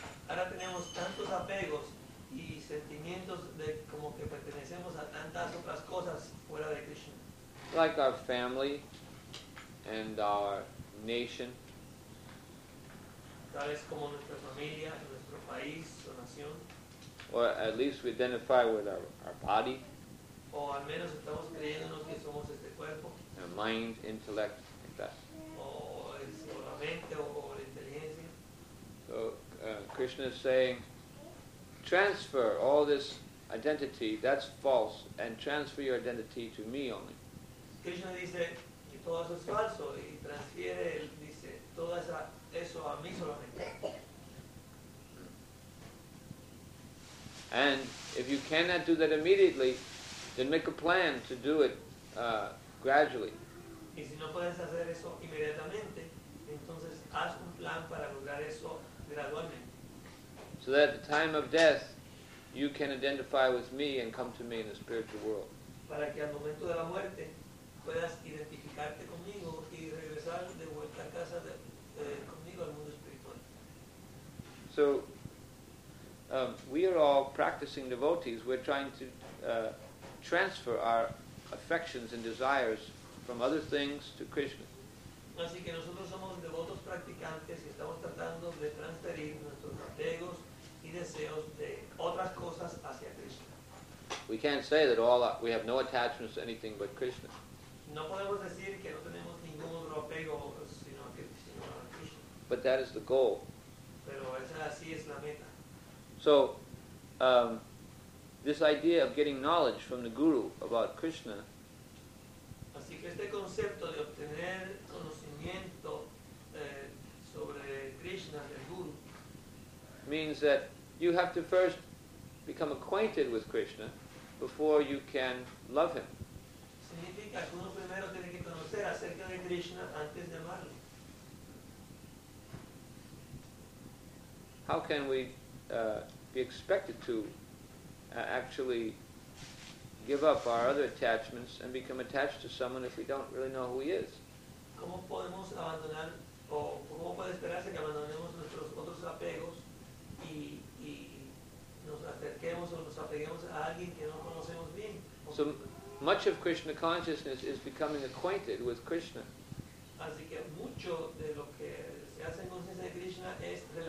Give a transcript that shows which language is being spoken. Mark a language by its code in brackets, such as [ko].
[es] Ahora tenemos tantos apegos y sentimientos de como que pertenecemos a tantas otras cosas fuera de Krishna. [en] Like our family and our nation. [es] Tal es como nuestra familia, nuestro país o nación. [en] Or at least we identify with our body. [es] O al menos estamos creyéndonos que somos este cuerpo. [en] Our mind, intellect, like that. [es] O la mente o la inteligencia. [en] So Krishna is saying, transfer all this identity, that's false, and transfer your identity to me only. [es] Krishna dice que todo eso es falso y transfiere, él dice, todo eso a mí solamente. [en] And if you cannot do that immediately, then make a plan to do it gradually. [es] Y si no puedes hacer eso inmediatamente, entonces haz un plan para lograr eso gradualmente. [en] So that at the time of death, you can identify with me and come to me in the spiritual world. [es] Para que al momento de la muerte puedas identificarte conmigo y regresar de vuelta a casa conmigo al mundo espiritual. [en] So, we are all practicing devotees. We're trying to transfer our affections and desires from other things to Krishna. [es] Así que nosotros somos devotos practicantes y estamos tratando de transferir nuestros apegos y deseos de otras cosas hacia Krishna. [en] We can't say that all we have no attachments to anything but Krishna. [es] No podemos decir que no tenemos ningún otro apego sino a Krishna. [en] But that is the goal. [es] Pero esa así es la meta. [en] So, this idea of getting knowledge from the Guru about Krishna. [es] Así que este concepto de obtener conocimiento sobre Krishna del Guru [en] means that you have to first become acquainted with Krishna before you can love him. [es] Significa que uno primero tiene que conocer acerca de Krishna antes de amarlo. [en] How can we be expected to actually give up our other attachments and become attached to someone if we don't really know who he is? [es] ¿Cómo podemos abandonar o cómo puede esperarse que abandonemos nuestros otros apegos y nos acerquemos o nos apeguemos a alguien que no conocemos bien? [en] So much of Krishna consciousness is becoming acquainted with Krishna. [es] Así que mucho de lo que se hace en conciencia de Krishna es